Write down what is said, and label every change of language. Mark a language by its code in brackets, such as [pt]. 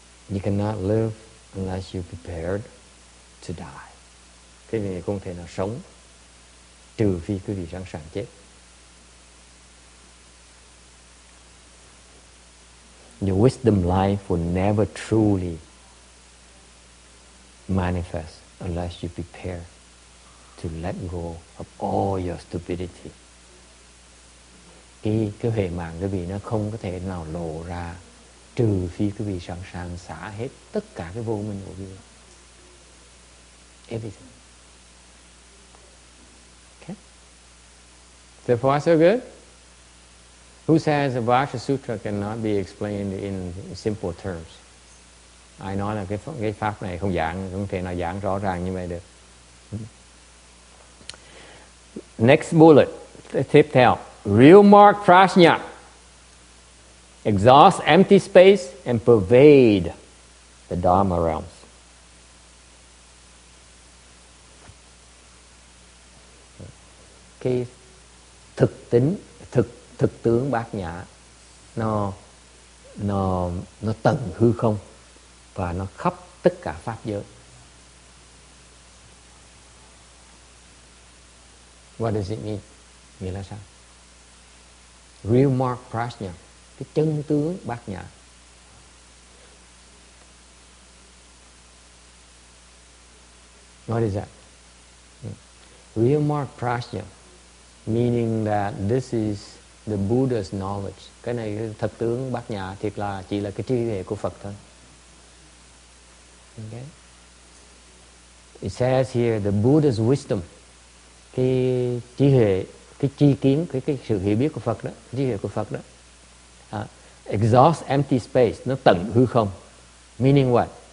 [en] You cannot live unless you're prepared to die. [vi] Cái này không thể nào sống trừ phi quý vị sẵn sàng chết. [en] Your wisdom life will never truly manifest unless you prepare to let go of all your stupidity. [vi] Cái huệ mạng quý vị nó không có thể nào lộ ra trừ phi quý vị sẵn sàng xả hết tất cả cái vô minh của quý vị. [en] Everything. So far, so good? Who says the Vajra Sutra cannot be explained in simple terms? [vi] Ai nói là cái pháp này không giảng, không thể nào giảng rõ ràng như vậy được. [en] Next bullet, [vi] tiếp theo. [en] Real mark prajna. Exhaust empty space and pervade the Dharma realms. Keith. [vi] thực tính thực thực tướng bát nhã nó tận hư không và nó khắp tất cả pháp giới. [en] What does it mean? [vi] Nghĩa là sao? Real mark prajna, cái chân tướng bát nhã. [en] What is that? Real mark prajna, meaning that this is the Buddha's knowledge. [vi] Cái này thật tướng bát nhã thiệt là chỉ là cái trí tuệ của Phật thôi. [en] Okay. It says here the Buddha's wisdom, [vi] cái trí huệ, cái tri kiến, cái sự hiểu biết của Phật đó, trí huệ của Phật đó, [en] exhaust empty space, [vi] nó tận hư không, [en] meaning what?